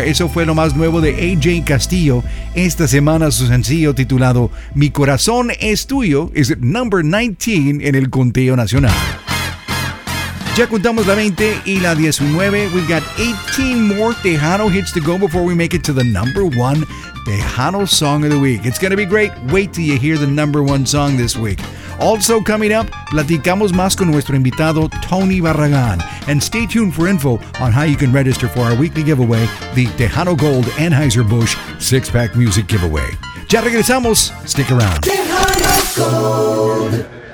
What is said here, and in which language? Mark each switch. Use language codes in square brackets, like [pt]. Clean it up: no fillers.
[es] Eso fue lo más nuevo de AJ Castillo. Esta semana su sencillo titulado Mi Corazón Es Tuyo es number 19 en el conteo nacional. Ya contamos la 20 y la 19. [en] We've got 18 more Tejano hits to go before we make it to the number one Tejano song of the week. It's going to be great. Wait till you hear the number one song this week. Also coming up, [es] platicamos más con nuestro invitado, Tony Barragan. [en] And stay tuned for info on how you can register for our weekly giveaway, the Tejano Gold Anheuser-Busch 6-Pack Music Giveaway. [es] Ya regresamos. [en] Stick around. Tejano Gold.